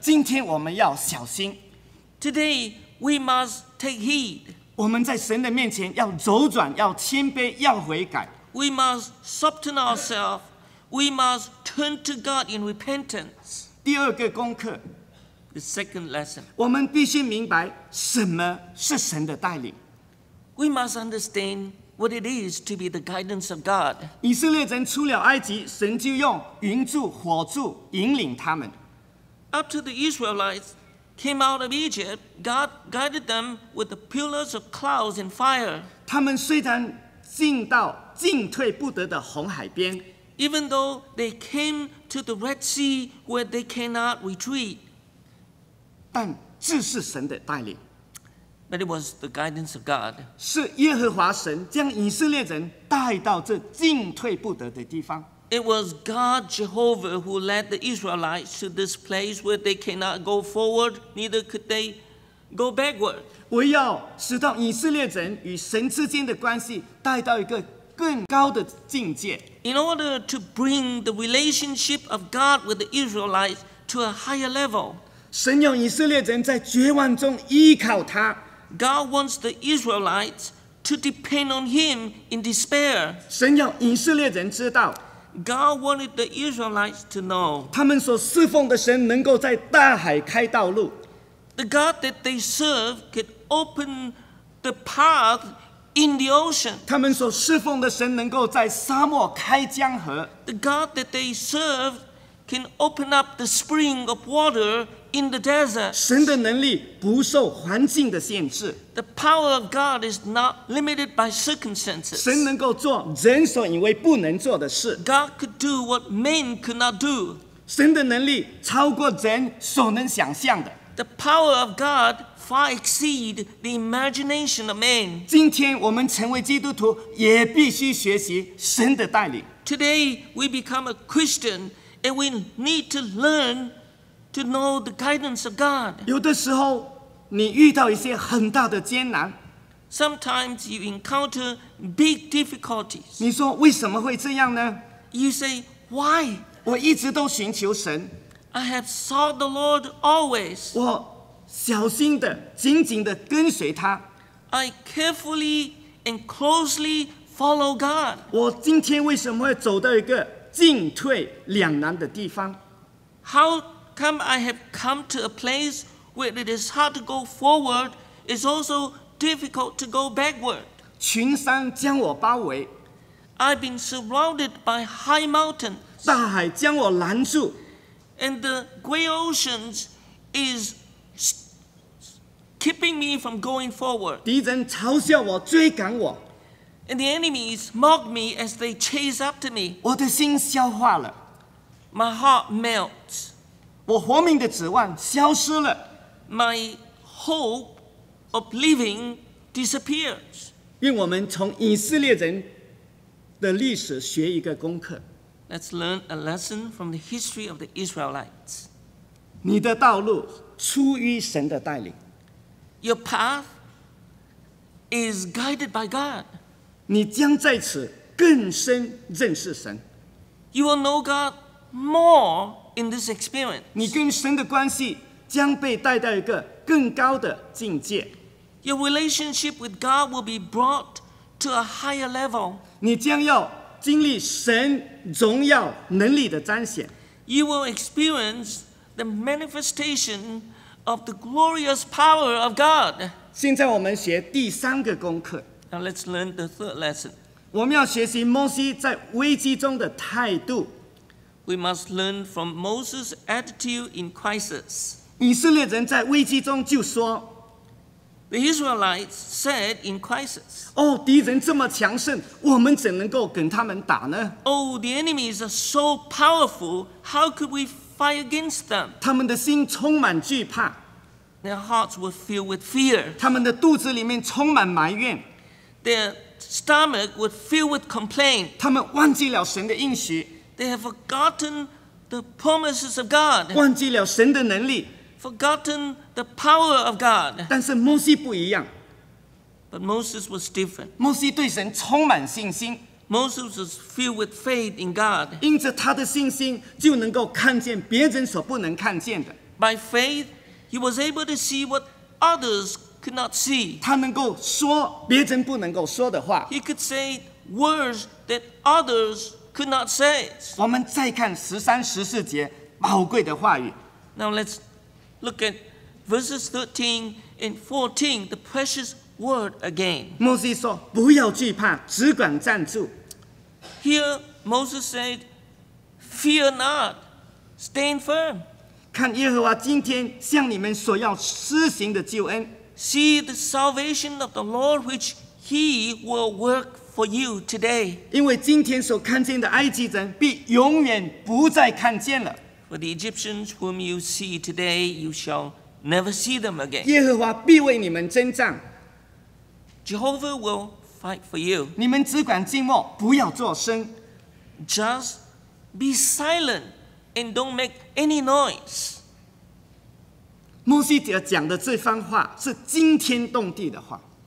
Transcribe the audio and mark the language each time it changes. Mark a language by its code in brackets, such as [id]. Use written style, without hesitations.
[zh] 今天我们要小心。 [en] Today we must take heed. [zh] 我们在神的面前要周转，要谦卑，要悔改。 [en] We must soften ourselves. We must turn to God in repentance. [zh] 第二个功课 [en] ，The second lesson. [zh] 我们必须明白什么是神的带领。 [en] We must understand what it is to be the guidance of God. [zh] 以色列人出了埃及，神就用云柱、火柱引领他们。 [en] Up to the Israelites. Came out of Egypt, God guided them with the pillars of clouds and fire. [zh] 他们虽然进到进退不得的红海边 [en] even though they came to the Red Sea where they cannot retreat, [zh] 但这是神的带领 [en] but it was the guidance of God. [zh] 是耶和华神将以色列人带到这进退不得的地方 [en] It was God Jehovah who led the Israelites to this place where they cannot go forward, neither could they go backward. [zh] 我要使到以色列人与神之间的关系带到一个更高的境界。 [en] In order to bring the relationship of God with the Israelites to a higher level, [zh] 神要以色列人在绝望中依靠他。 [en] God wants the Israelites to depend on Him in despair. [zh] 神要以色列人知道。 [en] God wanted the Israelites to know. [zh] 他们所侍奉的神能够在大海开道路。 [en] The God that they serve could open the path in the ocean. [zh] 他们所侍奉的神能够在沙漠开江河。 [en] The God that they serve can open up the spring of water in the desert. [zh] 神的能力不受环境的限制。 [en] The power of God is not limited by circumstances. [zh] 神能够做人所以为不能做的事。 [en] God could do what men could not do. [zh] 神的能力超过人所能想象的。 [en] The power of God far exceeds the imagination of men. [zh] 今天我们成为基督徒也必须学习神的带领。 [en] Today we become a Christian and we need to learn to know the guidance of God. [zh] 有的时候你遇到一些很大的艰难。 [en] Sometimes you encounter big difficulties. [zh] 你说为什么会这样呢 [en] ？You say why? [zh] 我一直都寻求神。 [en] I have sought the Lord always. [zh] 我小心的、紧紧的跟随他。 [en] I carefully and closely follow God. [zh] 我今天为什么会走到一个进退两难的地方 [en] ？How come I have come to a place? Where it is hard to go forward, it's also difficult to go backward. [zh] 群山将我包围。 [en] I've been surrounded by high mountains. [zh] 大海将我拦住。 [en] And the great oceans is keeping me from going forward. [zh] 敌人嘲笑我，追赶我。 [en] And the enemies mock me as they chase after me. [zh] 我的心消化了。 [en] My heart melts. [zh] 我活命的指望消失了。 [en] My hope of living disappears. [zh] 愿我们从以色列人的历史学一个功课。 [en] Let's learn a lesson from the history of the Israelites. [zh] 你的道路出于神的带领。 [en] Your path is guided by God. [zh] 你将在此更深认识神。 [en] You will know God more in this experience. [zh] 你跟神的关系将被带到一个更高的境界。 [en] Your relationship with God will be brought to a higher level. [zh] 你将要经历神荣耀能力的彰显。 [en] You will experience the manifestation of the glorious power of God. [zh] 现在我们学第三个功课。 [en] Now let's learn the third lesson. [zh] 我们要学习摩西在危机中的态度。 [en] We must learn from Moses' attitude in crisis. [zh] 以色列人在危机中就说。 [en] The Israelites said in crisis. [zh] 哦，敌人这么强盛，我们怎能够跟他们打呢？ [en] Oh, the enemies are so powerful. How could we fight against them? [zh] 他们的心充满惧怕。 [en] Their hearts were filled with fear. [zh] 他们的肚子里面充满埋怨。 [en] Their stomach was filled with complaint. [zh] 他们忘记了神的应许。 [en] They have forgotten the promises of God. [zh] 忘记了神的能力。 [en] Forgotten the power of God. [zh] 但是摩西不一样。 [en] But Moses was different. [zh] 摩西对神充满信心。 [en] Moses was filled with faith in God. [zh] 因着他的信心，就能够看见别人所不能看见的。 [en] By faith, he was able to see what others could not see. [zh] 他能够说别人不能够说的话。 [en] He could say words that others could not say. [zh] 我们再看十三、十四节宝贵的话语。 [en] Now let's look at verses 13 and 14, the precious word again. [zh] 摩西说，不要惧怕，只管站住。 [en] Here, Moses said, fear not, stand firm. [zh] 看耶和华今天向你们所要施行的救恩。 [en] See the salvation of the Lord which he will work for you today. [zh] 因为今天所看见的埃及人必永远不再看见了。 [en] For the Egyptians whom you see today, you shall never see them again. [zh] 耶和华必为你们征战。 [en] Jehovah will fight for you. [zh] 你们只管静默，不要作声。 [en] Just be silent and don't make any noise. [zh] 摩西讲的这番话是惊天动地的话。